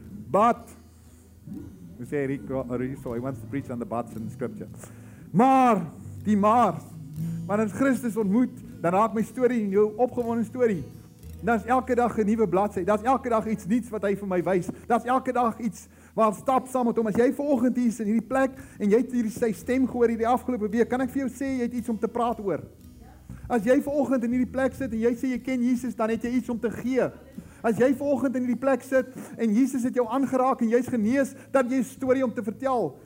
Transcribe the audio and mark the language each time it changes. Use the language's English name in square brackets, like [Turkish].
[English] But we say Rico, he wants to preach on the buts in the scripture. [Afrikaans] Maar die maar wanneer Christus ontmoet, dan raak my storie jou opgewonde storie. Dan is elke dag 'n nuwe bladsy. Dan is elke dag iets nuuts wat hy vir my wys. Dan is elke dag iets waar stap saam met hom. As jy vanoggend hier is in hierdie plek en jy het hierdie sy stem gehoor hierdie afgelope week, kan ek vir jou sê jy het iets om te praat oor. As jy vanoggend in hierdie plek sit en jy sê jy ken Jesus, dan het jy iets om te gee. As jy vanoggend in hierdie plek sit en Jesus het jou aangeraak en jy's genees, dan jy 'n storie om te vertel.